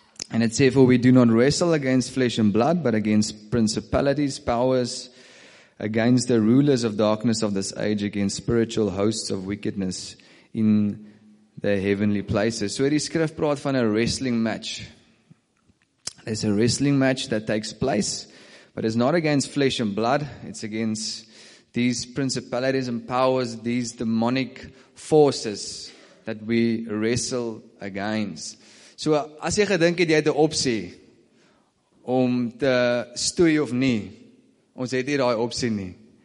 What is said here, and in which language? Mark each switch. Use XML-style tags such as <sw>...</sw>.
<en>And it says, for we do not wrestle against flesh and blood, but against principalities, powers, against the rulers of darkness of this age, against spiritual hosts of wickedness in the heavenly places.</en> <af>So die skrif praat van 'n</af> <en>wrestling match. There's a wrestling match that takes place, but it's not against flesh and blood. It's against these principalities and powers, these demonic forces that we wrestle against.</en> <af>So, as jy gedink het, jy het 'n opsie om te stoei of nie, ons het nie daai opsie nie.</af>